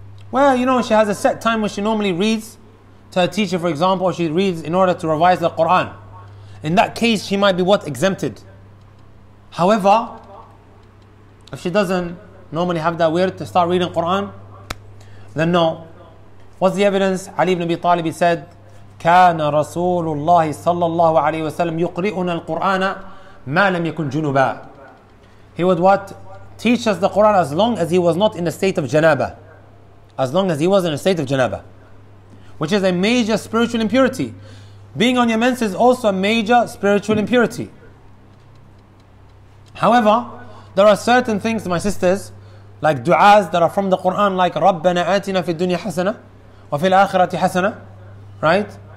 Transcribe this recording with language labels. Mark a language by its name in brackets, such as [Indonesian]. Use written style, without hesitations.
[English] Well, you know, she has a set time when she normally reads to her teacher, for example, or she reads in order to revise the Quran. In that case, she might be what? Exempted. However, if she doesn't normally have that weird to start reading Quran, then no. What's the evidence? [Arabic] Ali ibn Abi Talib said, كان رسول الله صلى الله عليه وسلم يقرئنا القرآن ما لم يكن جنوبا. [English] He would what? Teach us the Quran as long as he was not in a state of janaba. As long as he was in a state of janaba. Which is a major spiritual impurity. Being on your menses is also a major spiritual impurity. However, there are certain things, my sisters, like du'as that are from the Quran, like [Arabic] رَبَّنَا آتِنَا فِي الدُّنْيَا حَسَنَةً وَفِي الْآخِرَةِ حَسَنَةً, [English] right?